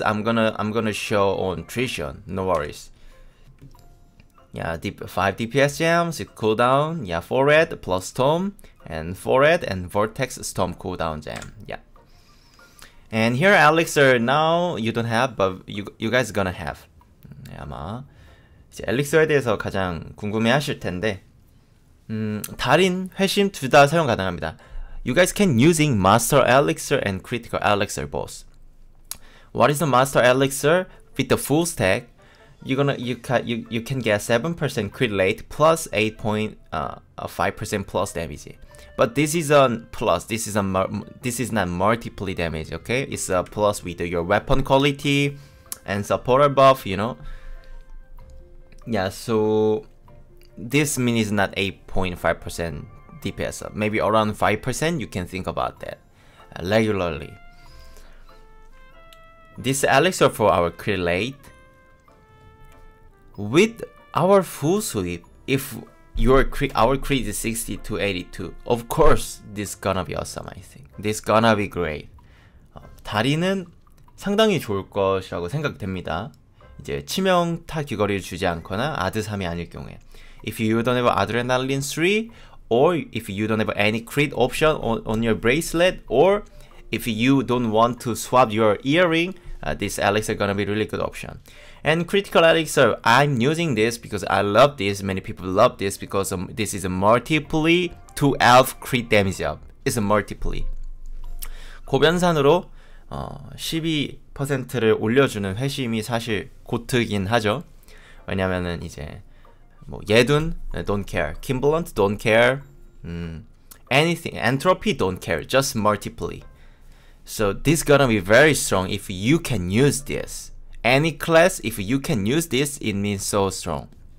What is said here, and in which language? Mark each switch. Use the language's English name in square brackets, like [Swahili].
[English] I'm gonna show on Trishon. No worries. Yeah, 5 DPS gems, cooldown. Yeah, 4 red plus storm and 4 red and vortex storm cooldown gem. Yeah. And here, elixir. Now you don't have, but you guys gonna have. [Korean] 아마 이제 엘릭서에 대해서 가장 궁금해하실 텐데, 달인 회심 둘 다 사용 가능합니다. [English] You guys can using master elixir and critical elixir both. What is the master elixir with the full stack? You can get 7% crit rate plus 5% plus damage. But this is a plus. This is not multiply damage. Okay, it's a plus with your weapon quality and supporter buff. You know. Yeah. So this means not 8.5% DPS. Maybe around 5%. You can think about that regularly. This elixir for our crit rate. With our full sweep, if our crit is 60 to 82, of course this gonna be awesome. I think this gonna be great. [Korean] 다리는 상당히 좋을 것이라고 생각됩니다. 이제 치명 타 귀걸이를 주지 않거나 아드 3이 아닐 경우에, [English] if you don't have adrenaline 3, or if you don't have any crit option on your bracelet, or if you don't want to swap your earring, this elixir gonna be really good option. And critical elixir, I'm using this because I love this. Many people love this because this is a multiply 2 elf crit damage up. is multiply. [Korean] 고변산으로 12%를 올려주는 회심이 사실 고트긴 하죠. 왜냐면은 이제 뭐 예둔 [English] don't care, Kimblunt don't care, anything, entropy don't care, just multiply. So this gonna be very strong if you can use this. Any class, if you can use this, it means so strong.